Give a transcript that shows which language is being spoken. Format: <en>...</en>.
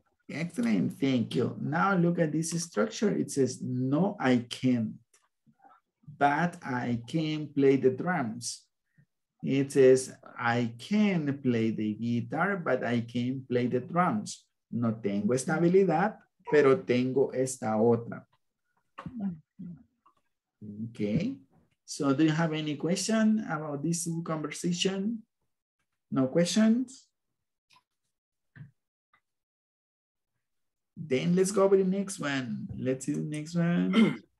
<en>Excellent, thank you. Now look at this structure. It says, no, I can't, but I can play the drums. It says, I can play the guitar, but I can play the drums.</en> <es>No tengo esta habilidad, pero tengo esta otra.</es> <en>Okay. So do you have any question about this conversation? No questions? Then let's go over the next one. Let's see the next one.</en>